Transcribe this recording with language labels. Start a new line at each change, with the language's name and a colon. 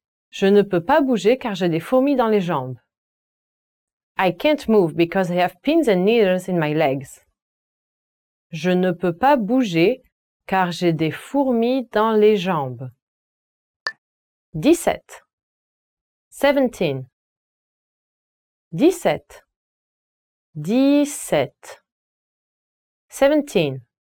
French: Je ne peux pas bouger car j'ai des fourmis dans les jambes.
English: I can't move because I have pins and needles in my legs.
French: Je ne peux pas bouger car j'ai des fourmis dans les jambes. 17. 17. 17. 17. 17.